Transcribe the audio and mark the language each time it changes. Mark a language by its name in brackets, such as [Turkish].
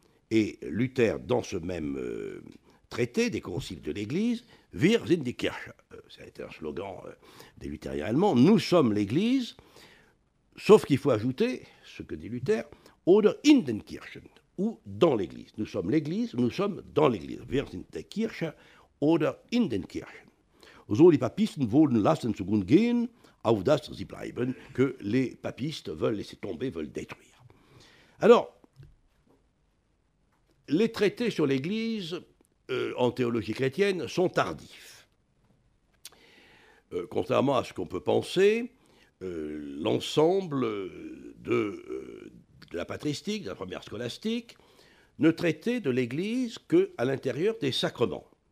[French] Et Luther, dans ce même traité des conciles de l'Église, [German] Wir sind die Kirche, [French] c'est un slogan des luthériens allemands, nous sommes l'Église, sauf qu'il faut ajouter, ce que dit Luther, [German] oder in den Kirchen, [French] ou dans l'Église. Nous sommes l'Église, nous sommes dans l'Église. [German] Wir sind die Kirche, oder in den Kirchen. So die Papisten wollen lassen zugrund gehen, auf das sie bleiben, [French] que les papistes veulent laisser tomber, veulent détruire. Alors, les traités sur l'Église en théologie chrétienne sont tardifs. Contrairement à ce qu'on peut penser, l'ensemble de la patristique, de la première scolastique, ne traitait de l'Église qu'à l'intérieur des sacrements.